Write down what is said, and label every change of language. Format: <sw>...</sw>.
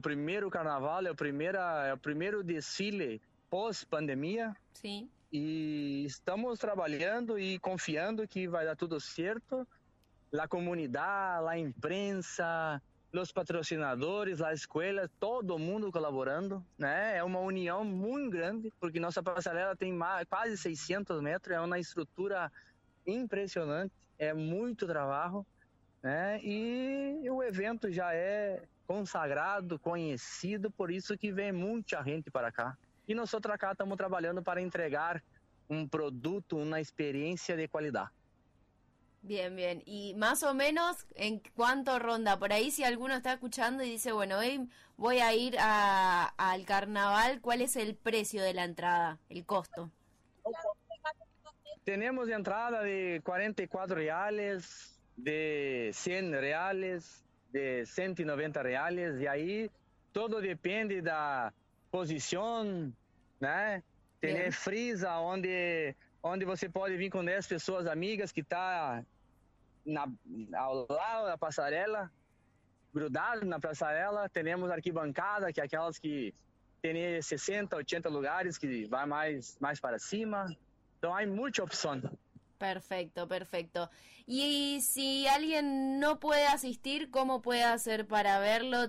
<es>Es el primer carnaval, es el primer desfile post-pandemia. Sí. Y estamos trabajando y confiando que va a dar todo cierto. La comunidad, la imprensa, los patrocinadores, la escuela, todo mundo colaborando, né?</es> <pt>É uma união muito grande, porque nossa passarela tem quase 600 metros, é uma estrutura impressionante, é muito trabalho, né? E o evento já é consagrado, conhecido, por isso que vem muita gente para cá. E nós outra cá estamos trabalhando para entregar um produto, uma experiência de qualidade.</pt> <es>Bien, bien. ¿Y más o menos en cuánto ronda? Por ahí si alguno está escuchando y dice, bueno, hoy voy a ir al carnaval, ¿cuál es el precio de la entrada, el costo? Tenemos de entrada de 44 reales, de 100 reales, de 190 reales, y ahí todo depende de la posición, ¿no? Tener frisa donde você puede venir con 10 personas amigas que</es> <pt>está ao lado da passarela, grudado na passarela. Temos arquibancada, que é aquelas que tem 60, 80 lugares, que vai mais para cima.</pt> <es>No hay mucha opción. Perfecto, perfecto. Y si alguien no puede asistir, ¿cómo puede hacer para verlo?</es>